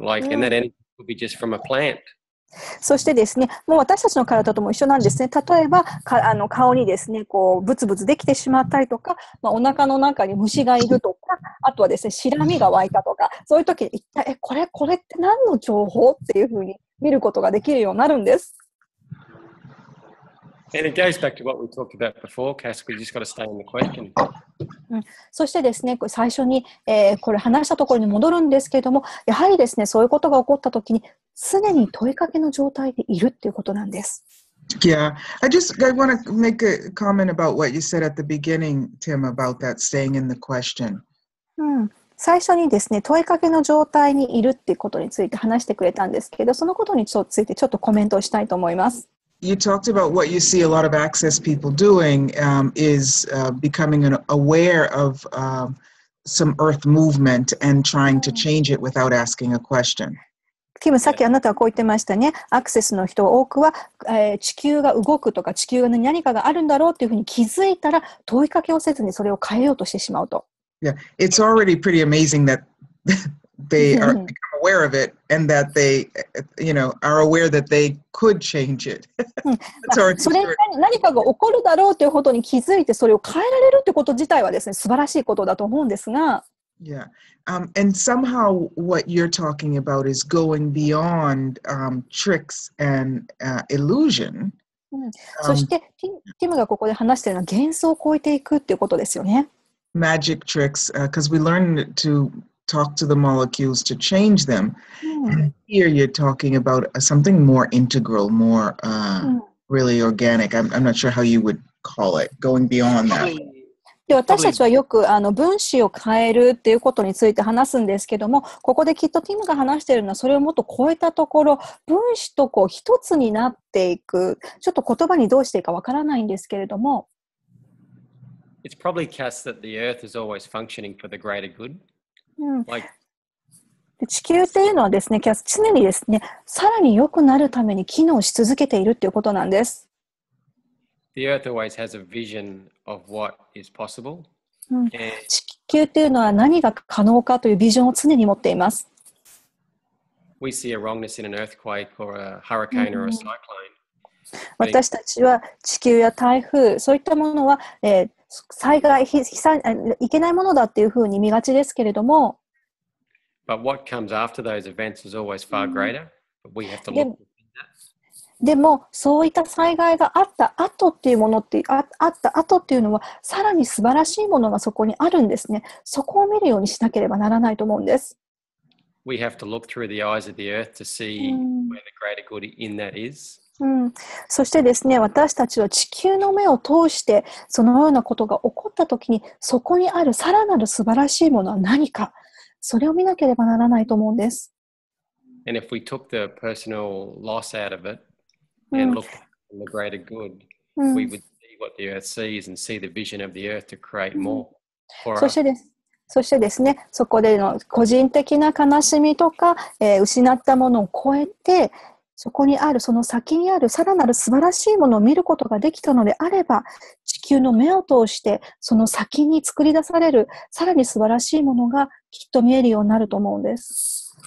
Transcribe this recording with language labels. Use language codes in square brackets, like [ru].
[en] Like, and that energy could be just from a plant. [ja] そしてですね、もう私たちの体とも一緒なんですね。例えば、あの顔にですね、こうブツブツできてしまったりとか、まあ、お腹の中に虫がいるとか、あとはですね、白身が湧いたとか、そういう時に一体、え、これって何の情報っていうふうに見ることができるようになるんです。 [en] And it goes back to what we talked about before, Kass. We just got to stay in the question. [ja] そしてですね、最初に、これ話したところに戻るんですけれども、やはりですね、そういうことが起こったときに、常に問いかけの状態でいるということなんです。 [en] Yeah, I want to make a comment about what you said at the beginning, Tim, about that staying in the question. [ja] 最初にですね、問いかけの状態にいるっていうことについて話してくれたんですけど、そのことについてちょっとコメントをしたいと思います。 [en] You talked about what you see a lot of access people doing is becoming aware of some earth movement and trying to change it without asking a question. [ja] Tim, さっきあなたはこう言ってましたね。アクセスの人多くは、地球が動くとか地球に何かがあるんだろうというふうに気づいたら問いかけをせずにそれを変えようとしてしまうと。 [en] Yeah, it's already pretty amazing that they are aware of it and that they, you know, are aware that they could change it. [ja] それに何かが起こるだろうということに気づいてそれを変えられるってこと自体はですね、素晴らしいことだと思うんですが。 [en] Yeah. And somehow what you're talking about is going beyond tricks and illusion. [ja] そして、ティムがここで話しているのは幻想を超えていくっていうことですよね。 [en] Magic tricks, because we learned to... talk to the molecules to change them. And here you're talking about something more integral, more really organic. I'm not sure how you would call it, going beyond that. [ja] で私たちはよくあの分子を変えるっていうことについて話すんですけども、ここできっとティムが話しているのはそれをもっと超えたところ、分子とこう一つになっていく。ちょっと言葉にどうしていいかわからないんですけれども。 [en] It's probably cast that the earth is always functioning for the greater good. [ja] うん、地球っていうのはですね、常にですね、さらに良くなるために機能し続けているっていうことなんです。 [en] The earth always has a vision of what is possible. [ja] 地球っていうのは何が可能かというビジョンを常に持っています。 [en] We see a wrongness in an earthquake or a hurricane or a cyclone. [ja] 私たちは地球や台風、そういったものは、災害、被災、いけないものだっていうふうに見がちですけれども。 [en] But what comes after those events is always far greater. But we have to look at that. [ja] でも、そういった災害があった後っていうものって、あった後っていうのは、さらに素晴らしいものがそこにあるんですね。そこを見るようにしなければならないと思うんです。 [en] We have to look through the eyes of the earth to see where the greater good in that is. [ja] そしてですね、私たちは地球の目を通してそのようなことが起こったときにそこにあるさらなる素晴らしいものは何か、それを見なければならないと思うんです。 [en] And if we took the personal loss out of it and looked at the greater good, we would see what the earth sees and see the vision of the earth to create more for us. [ja] そしてです。そしてですね、そこでの個人的な悲しみとか、失ったものを超えて、そこにあるその先にあるさらなる素晴らしいものを見ることができたのであれば、地球の目を通してその先に作り出されるさらに素晴らしいものがきっと見えるようになると思うんです。